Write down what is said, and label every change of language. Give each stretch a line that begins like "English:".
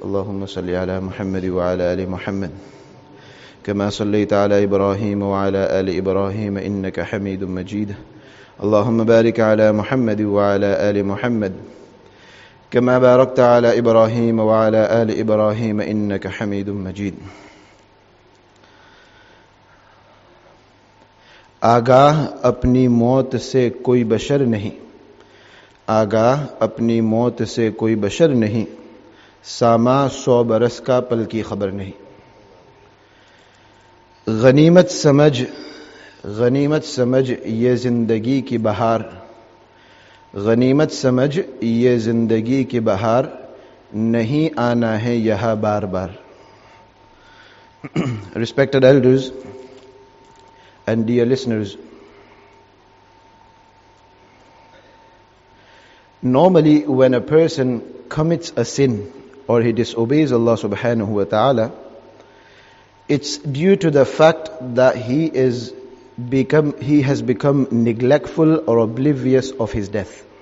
Arabic: اللهم صل على محمد وعلى آل محمد كما صليت على إبراهيم وعلى آل إبراهيم إنك حميد مجيد. اللهم بارك على محمد وعلى آل محمد كما باركت على إبراهيم وعلى آل إبراهيم إنك حميد مجيد.
Urdu: آگاہ اپنی موت سے کوئی بشر نہیں، آگاہ اپنی موت سے کوئی بشر نہیں، ساما سو برس کا پل کی خبر نہیں. غنیمت سمجھ یہ زندگی کی بہار، غنیمت سمجھ یہ زندگی کی بہار، نہیں آنا ہے یہاں بار بار.
English: Respected elders and dear listeners, normally when a person commits a sin or he disobeys Allah subhanahu wa ta'ala, it's due to the fact that he has become neglectful or oblivious of his death.